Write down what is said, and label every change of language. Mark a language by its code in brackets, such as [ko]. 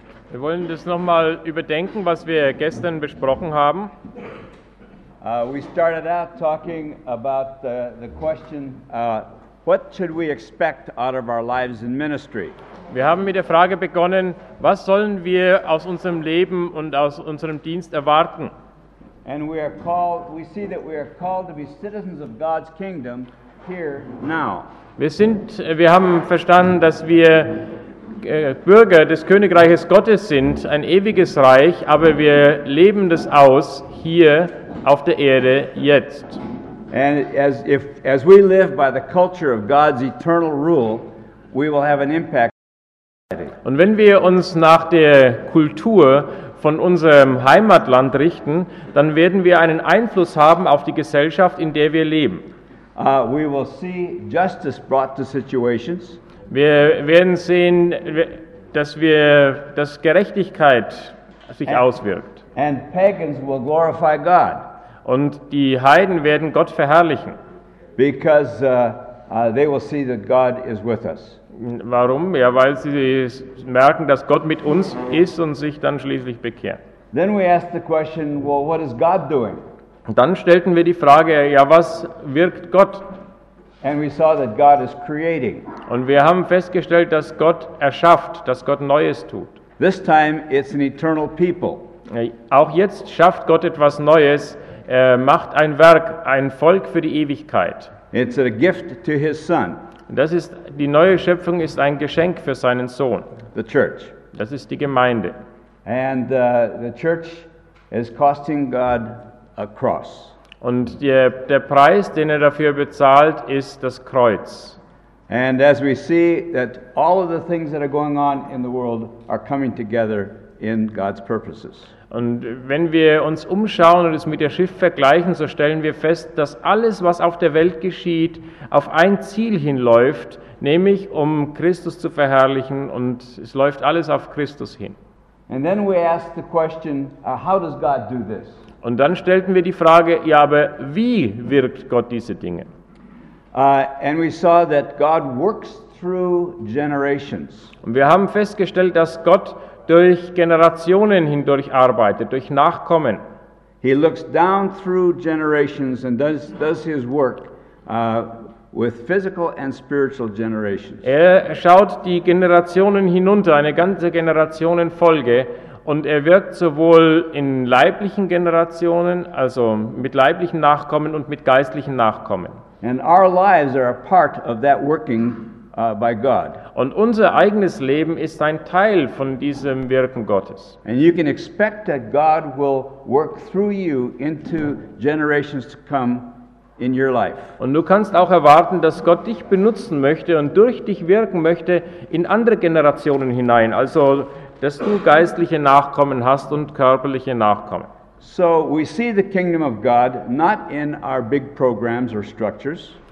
[de] Wir wollen das nochmal überdenken, was wir gestern besprochen haben. [en] We started out talking about the question, what should we expect out of our lives in ministry? [de] Wir haben mit der Frage begonnen, was sollen wir aus unserem Leben und aus unserem Dienst erwarten? [en] And we see that we are called to be citizens of God's kingdom here now. [de] Wir haben verstanden, dass wir Bürger des Königreiches Gottes sind, ein ewiges Reich, aber wir leben das aus hier auf der Erde jetzt. [en] And as we live by the culture of God's eternal rule, we will have an impact. [de] Und wenn wir uns nach der Kultur von unserem Heimatland richten, dann werden wir einen Einfluss haben auf die Gesellschaft, in der wir leben. [en] We will see justice brought to situations. [de] Wir werden sehen, dass Gerechtigkeit sich auswirkt. [en] And pagans will glorify God. [de] Und die Heiden werden Gott verherrlichen. [en] Because they will see that God is with us. [de] Warum? Ja, weil sie merken, dass Gott mit uns ist und sich dann schließlich bekehren. [en] Then we ask the question, well, what is God doing? [de] Dann stellten wir die Frage, ja, was wirkt Gott? [en] And we saw that God is creating. [de] Und wir haben festgestellt, dass Gott erschafft, dass Gott Neues tut. [en] This time it's an eternal people. [de] Auch jetzt schafft Gott etwas Neues, er macht ein Werk, ein Volk für die Ewigkeit. [en] It's a gift to his son. [de] Das ist, die neue Schöpfung ist ein Geschenk für seinen Sohn. [en] The church. [de] Das ist die Gemeinde. [en] And the church is costing God a cross. [de] Und der Preis, den er dafür bezahlt, ist das Kreuz. [en] And as we see that all of the things that are going on in the world are coming together in God's purposes. [de] Und wenn wir uns umschauen und es mit dem Schiff vergleichen, so stellen wir fest, dass alles, was auf der Welt geschieht, auf ein Ziel hinläuft, nämlich um Christus zu verherrlichen, und es läuft alles auf Christus hin. [en] And then we ask the question, how does God do this? [de] Und dann stellten wir die Frage, ja, aber wie wirkt Gott diese Dinge? [en] And we saw that God works through generations. [de] Und wir haben festgestellt, dass Gott durch Generationen hindurch arbeitet, durch Nachkommen. [en] He looks down through generations and does his work with physical and spiritual generations. [de] Er schaut die Generationen hinunter, eine ganze Generationenfolge, und er wirkt sowohl in leiblichen Generationen, also mit leiblichen Nachkommen und mit geistlichen Nachkommen. [en] And our lives are a part of that working by God. [de] Und unser eigenes Leben ist ein Teil von diesem Wirken Gottes. [en] And you can expect that God will work through you into generations to come in your life. [de] Und du kannst auch erwarten, dass Gott dich benutzen möchte und durch dich wirken möchte in andere Generationen hinein, also dass du geistliche Nachkommen hast und körperliche Nachkommen. [en] So we see the kingdom of God not in our big programs or structures.